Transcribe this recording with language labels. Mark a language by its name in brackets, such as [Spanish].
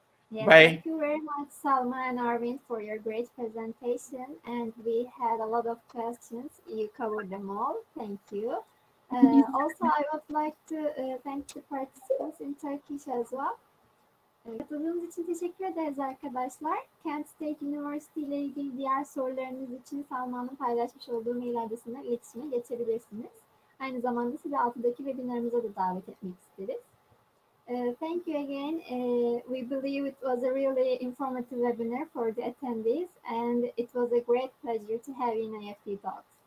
[English] Yeah, Bye. Thank you very much, Salma and Arvin, for your great presentation, and we had a lot of questions. You covered them all. Thank you. Also, I would like to thank the participants in Turkish as well. [Turkish] Katıldığınız için teşekkür ederiz arkadaşlar. Kent State University ile ilgili diğer sorularınız için Salman'ın paylaşmış olduğu mail adresine iletişime geçebilirsiniz. Aynı zamanda sizi altındaki webinarımıza da davet etmek isteriz. [English] Thank you again. We believe it was a really informative webinar for the attendees and it was a great pleasure to have you in IEFT Talks.